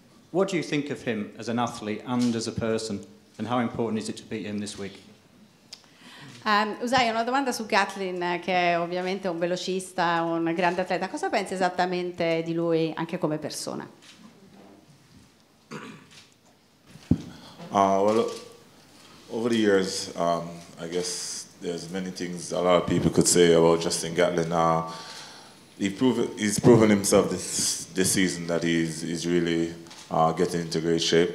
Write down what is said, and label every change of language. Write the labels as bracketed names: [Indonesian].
[English] What do you think of him as an athlete and as a person? And how important is it to beat him this week? [Italian] Usain, una domanda su Gatlin, che è ovviamente un velocista, un grande atleta. Cosa pensi esattamente di lui anche come persona? [English] Over the years, I guess there's many things a lot of people could say about Justin Gatlin. He's proven himself this season that he's really getting into great shape.